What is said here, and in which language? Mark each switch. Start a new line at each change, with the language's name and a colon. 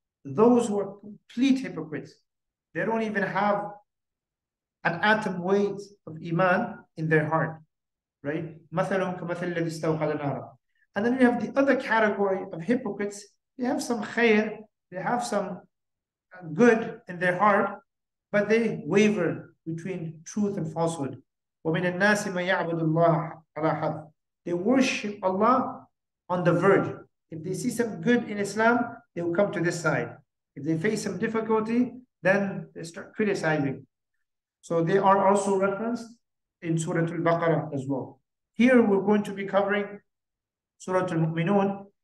English: Those who are complete hypocrites, they don't even have an atom weight of Iman in their heart, right?
Arabic: مَثَلُهُمْ كَمَثَلِ الَّذِي اسْتَوْقَدَ نَارًا.
English: And then you have the other category of hypocrites. They have some khair, they have some good in their heart, but they waver between truth and falsehood.
Arabic: ومن الناس من يعبد الله على حد.
English: They worship Allah on the verge. If they see some good in Islam, they will come to this side. If they face some difficulty, then they start criticizing. So they are also referenced in Surah Al-Baqarah as well. Here we're going to be covering Surah Al-Mu'minun.